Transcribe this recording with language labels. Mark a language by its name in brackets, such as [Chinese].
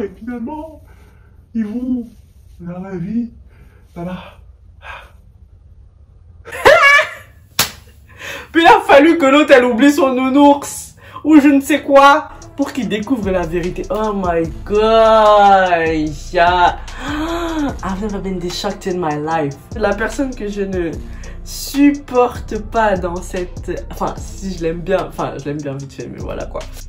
[French] Et finalement, ils vont vers la vie. Voilà. Puis là, il a fallu que l'autre elle oublie son nounours ou je ne sais quoi pour qu'il découvre la vérité. [English] Oh my god, yeah. I've never been this shocked in my life. [French] La personne que je ne supporte pas dans cette, enfin si je l'aime bien, enfin je l'aime bien vite fait, mais voilà quoi.